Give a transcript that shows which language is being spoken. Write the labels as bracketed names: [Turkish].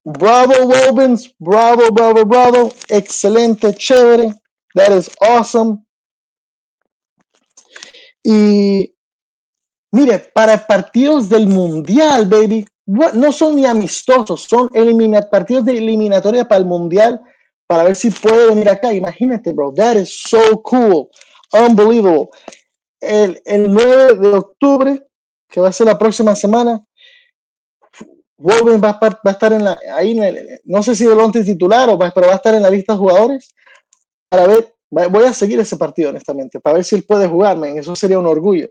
[Spanish] ¡Bravo, Robbins! ¡Bravo, bravo, bravo! ¡Excelente, chévere! [English] ¡That is awesome! [Spanish] Y mire, para partidos del Mundial, baby, no son ni amistosos, son partidos de eliminatoria para el Mundial, para ver si puede venir acá. Imagínate, [English] bro, that is so cool, unbelievable. [Spanish] El 9 de octubre, que va a ser la próxima semana, Wolves va a estar en la, ahí, en el, no sé si de lo antes titular, o va, pero va a estar en la lista de jugadores, para ver. Voy a seguir ese partido, honestamente, para ver si él puede jugar, man. Eso sería un orgullo.